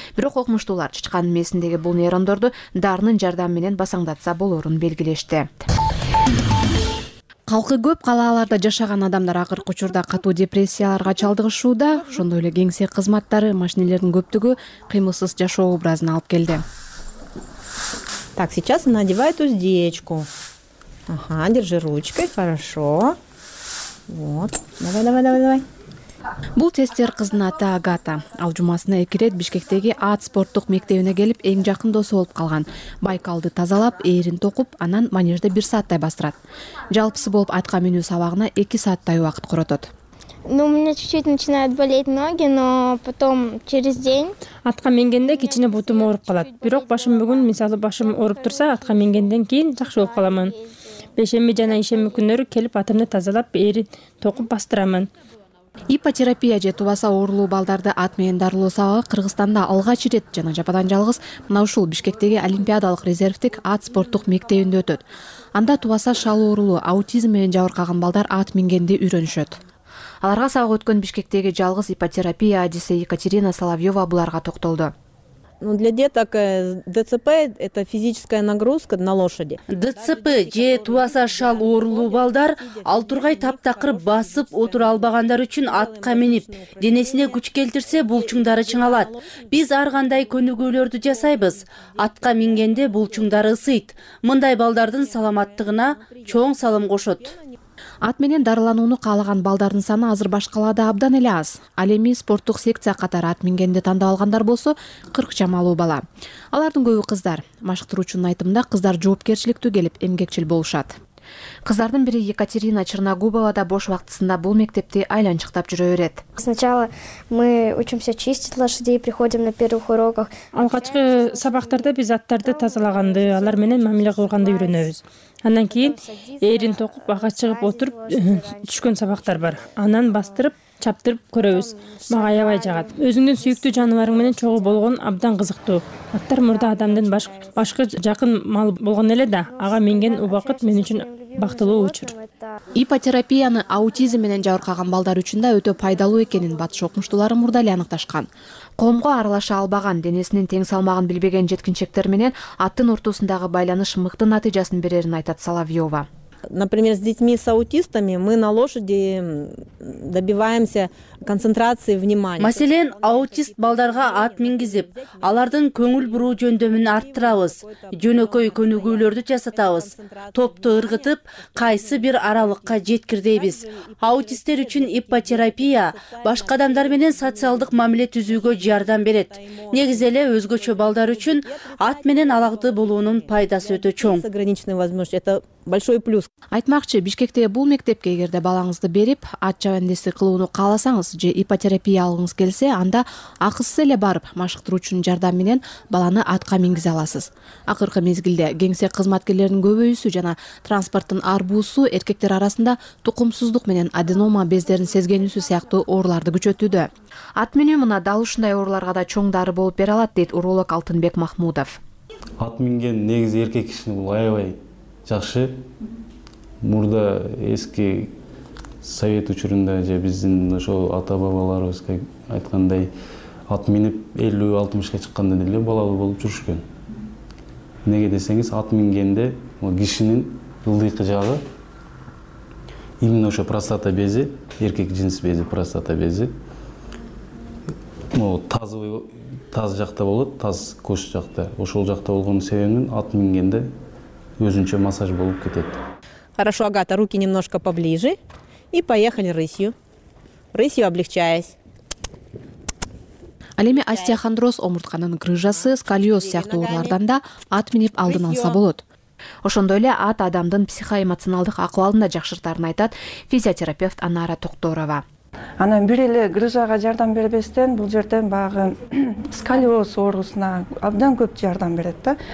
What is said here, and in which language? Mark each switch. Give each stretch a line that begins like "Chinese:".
Kyrgyz: Бирок окумуштуулар чычкандын мээсиндеги бул нейрондорду дарынын жардамы менен басаңдатса болорун белгилешти. Калкы көп калааларда жашаган адамдар акыркы учурда катуу депрессияларга чалдыгышууда, ошондой эле кеңсе кызматтары, машинелердин көптүгү кыймылсыз жашоо образына алып келди.
Russian: Так, сейчас она одевает уздечку. Ага, держи ручкой, хорошо. Вот, давай.
Kyrgyz: Бул тестер кыздын аты Агата. Ал жумасына 2 ирет Бишкектеги ат спорттук мектебине келип, эң жакын досу болуп калган. Байкалды тазалап, ээрин токуп, анан манежде 1 сааттай бастырат. Жалпысы болуп атка минүү сабагына 2 сааттай убакыт коротот.
Russian: Ну, у меня чуть-чуть начинают болеть ноги, но потом через день.
Kyrgyz: Атка мингенде кичине бутум ооруп калат. Бирок башым бүгүн, мисалы башым ооруп турса, атка мингенден кийин жакшы болуп каламын. Бешемби жана ишемби күндөрү келип, атымды тазалап, ээрин токуп бастырамын. Ипотерапия же тубаса оорулуу балдарды ат менен дарылоо сабагы Кыргызстанда алгач ирет жана жападан жалгыз мына ушул Бишкектеги олимпиадалык резервтик ат спорттук мектебинде өтөт. Анда тубаса шал оорулуу, аутизм менен жабыркаган балдар ат мингенди үйрөнүшөт. Аларга сабак өткөн Бишкектеги жалгыз ипотерапия адиси Екатерина Соловьева буларга токтолду.
Russian: Ну для деток ДЦП это физическая нагрузка на лошади.
Kyrgyz: ДЦП же тубаса шал оорулуу балдар ал тургай таптакыр басып отура албагандар үчүн атка минип денесине күч келтирсе булчуңдары чыңалат. Биз ар кандай көнүгүүлөрдү жасайбыз. Атка мингенде булчуңдары ысыйт. Мындай балдардын саламаттыгына чоң салым кошот. Ат менен дарылануну каалаган балдардын саны азыр баш калаада абдан эле аз. Ал эми спорттук секция катары ат мингенди тандап алгандар болсо 40 чамалуу бала. Алардын көбү кыздар. Машыктыруучунун айтымында кыздар жоопкерчиликтүү келип эмгекчил болушат. Кыздардын бири Екатерина Черногубова да бош убактысында бул мектепти айланчыктап жүрө берет.
Russian: Сначала мы учимся чистить лошадей, приходим на первых уроках.
Kyrgyz: Алгачкы сабактарда биз аттарды тазалаганды, алар менен мамиле кылганды үйрөнөбүз. Андан кийин ээрин токуп, ага чыгып отуруп түшкөн сабактар бар. Анан бастырып, чаптырып көрөбүз. Мага аябай жагат. Өзүңдүн сүйүктүү жаныбарың менен чогуу болгон абдан кызыктуу. Аттар мурда адамдын башкы жакын мал болгон эле да, ага менген убакыт мен үчүн бактылуу учур. Ипотерапияны аутизм менен жабыркаган балдар үчүн да өтө пайдалуу экенин батыш окумуштуулары мурда эле аныкташкан. Коомго аралаша албаган, денесинин тең салмагын билбеген жеткинчектер менен аттын ортосундагы байланыш мыкты натыйжасын берерин айтат Соловьева.
Russian: Например, с детьми с аутистами мы на лошади добиваемся концентрации внимания.
Kyrgyz: Маселен, аутист балдарга ат мингизип, алардын көңүл буруу жөндөмүн арттырабыз, жөнөкөй көнүгүүлөрдү жасатабыз, топту ыргытып, кайсы бир аралыкка жеткирдейбиз. Аутисттер үчүн ипотерапия башка адамдар менен социалдык мамиле түзүүгө жардам берет. Негизи эле өзгөчө балдар үчүн ат менен алагды болуунун пайдасы өтө чоң.
Russian: Ограниченная возможность это большой плюс.
Kyrgyz: Айтмакчы, Бишкектеги бул мектепке эгерде балаңызды берип, ат жабандысы кылууну кааласаңыз же ипотерапия алгыңыз келсе, анда акысыз эле барып, машыктыруучунун жардамы менен баланы атка мингизе аласыз. Акыркы мезгилде кеңсе кызматкерлеринин көбөйүүсү жана транспорттун арбуусу эркектер арасында тукумсуздук менен аденома бездерин сезгенүүсү сыяктуу ооруларды күчөтүүдө. Ат минүү мына дал ушундай ооруларга да чоң дары болуп бере алат, дейт уролог Алтынбек Махмудов. Ат минген негизи эркек кишини бул аябай жакшы мурда эски совет учурунда же биздин ошол ата-бабаларыбыз айткандай ат минип 50-60 чыкканда деле балалуу болуп жүрүшкөн. Эмнеге десеңиз, ат мингенде кишинин ылдыйкы жагы именно ошо простата бези, эркек жинс бези, простата бези таз жакта болот, таз кош жакта. Ошол жакта болгон себебинен ат мингенде өзүнчө массаж болуп кетет.
Russian: Хорошо, Агата, руки немножко поближе. И поехали рысью. Рысью облегчаясь.
Kyrgyz: Ал эми остеохондроз омуртканын грыжасы, сколиоз сыяктуу оорулардан да ат минип алдын алса болот. Ошондой эле ат адамдын психоэмоционалдык акыбалын да жакшыртарын айтат физиотерапевт Анара Токторова. Анан бир эле грыжага жардам бербестен, бул жерден баягы сколиоз оорусуна абдан көп жардам берет да.